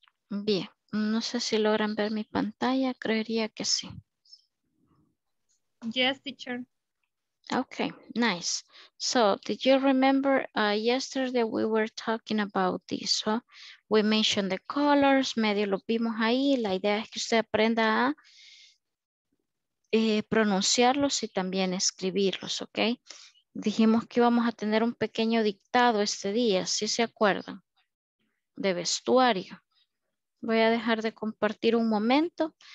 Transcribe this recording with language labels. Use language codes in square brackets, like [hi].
[es] Bien, no sé si logran ver mi pantalla, creería que sí. [en] Yes, teacher. Okay, nice. So, did you remember yesterday we were talking about this? So, we mentioned the colors, [es] medio lo vimos ahí. La idea es que usted aprenda a pronunciarlos y también escribirlos, okay? Dijimos que íbamos a tener un pequeño dictado este día, ¿sí se acuerdan? De vestuario. Voy a dejar de compartir un momento.